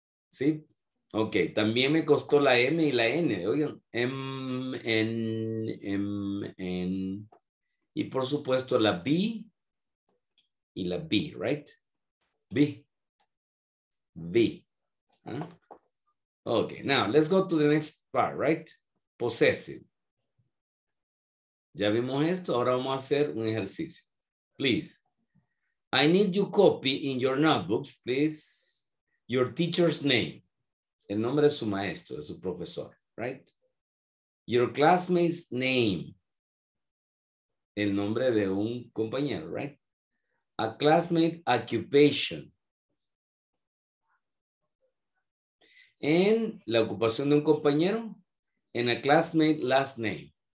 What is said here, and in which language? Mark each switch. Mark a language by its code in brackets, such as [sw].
[es] Sí, ok. También me costó la M y la N. Oigan, M, N, M, N. Y por supuesto la B y la B, right? B. V. Huh? [en] Okay, now let's go to the next part, right? Possessive. [es] Ya vimos esto, ahora vamos a hacer un ejercicio. [en] Please. I need you copy in your notebooks, please, your teacher's name. [es] El nombre de su maestro, de su profesor, right? [en] Your classmate's name. [es] El nombre de un compañero, right? [en] A classmate occupation. [es] En la ocupación de un compañero, en [en] a classmate last name.